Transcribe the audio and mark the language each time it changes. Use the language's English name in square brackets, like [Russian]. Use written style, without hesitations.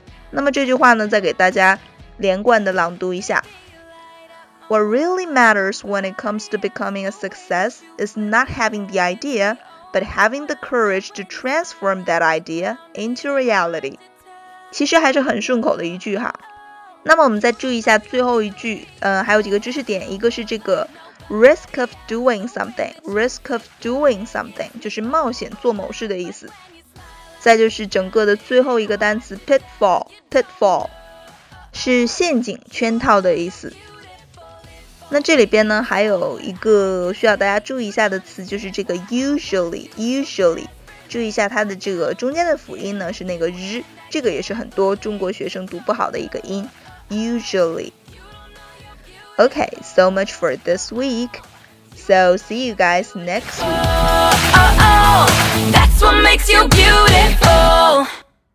[Chinese] 那么这句话呢再给大家连贯的朗读一下。 [English] What really matters when it comes to becoming a success is not having the idea, but having the courage to transform that idea into reality. [Chinese] 其实还是很顺口的一句哈。那么我们再注意一下最后一句，还有几个知识点，一个是这个 risk of doing something， 就是冒险做某事的意思。再就是整个的最后一个单词 pitfall， 是陷阱圈套的意思。那这里边呢还有一个需要大家注意一下的词，就是这个 usually， 注意一下它的这个中间的辅音呢是那个 r， 这个也是很多中国学生读不好的一个音。 [English] Usually. Okay, so much for this week. So, see you guys next week. Oh, oh, oh, that's what makes you beautiful.